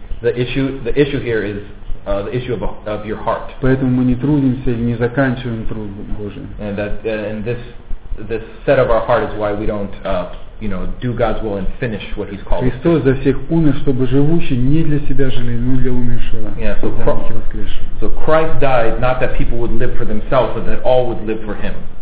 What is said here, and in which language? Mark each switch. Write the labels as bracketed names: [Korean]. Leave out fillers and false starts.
[English] The issue here is the issue of your heart. [Russian] Поэтому мы не трудимся или не заканчиваем труд Божий. [English] And this set of our heart is why we don't do God's will and finish what He's called. [Russian] Христос за всех умер, чтобы живущие не для себя жили, но для умершего. [English] So Christ died not that people would live for themselves, but that all would live for Him.